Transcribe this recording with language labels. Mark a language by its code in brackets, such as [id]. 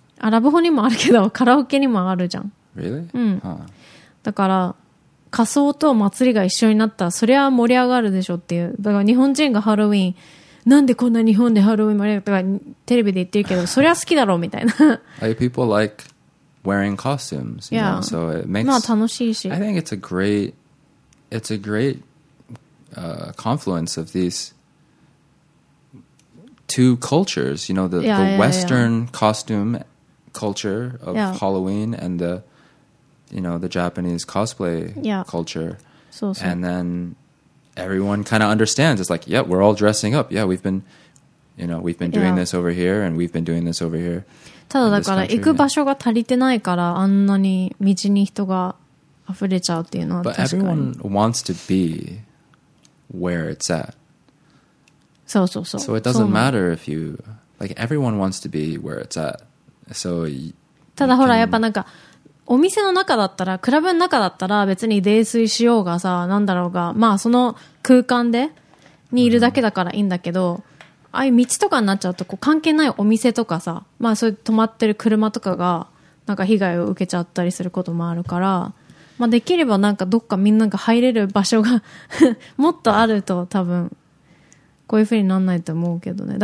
[ja] あ、ラブホにもあるけど、カラオケにもあるじゃん。 [en] Really？ [ja] うん。Huh. だから、仮装と祭りが一緒になったら、それは盛り上がるでしょっていう。だから日本人がハロウィン、なんでこんな日本でハロウィン盛り上がったか、テレビで言ってるけど、そりゃ好きだろうみたいな。 [en] Hey, people like wearing costumes, you yeah. know, so it makes... [ja] まあ楽しいし。 [en] I think it's a great confluence of these two cultures, you know, the Western costume culture of Halloween and the, you know, the Japanese cosplay culture. So, so. And then everyone kind of understands. It's like, yeah, we're all dressing up. Yeah, we've been doing this over here and we've been doing this over here. [ja] ただだから行く場所が足りてないからあんなに道に人が溢れちゃうっていうのは確かに。 [en] But everyone wants to be where it's at. [ja] そうそうそう。 [en] So it doesn't matter if you, like everyone wants to be where it's at. So [ja] ただほらやっぱなんかお店の中だったら、クラブの中だったら別に泥酔しようがさ、なんだろうが、まあその空間でにいるだけだからいいんだけど、ああいう道とかになっちゃうとこう関係ないお店とかさ、まあそういう止まってる車とかがなんか被害を受けちゃったりすることもあるから、まあできればなんかどっかみんなが入れる場所がもっとあると多分こういう風になんないと思うけどね。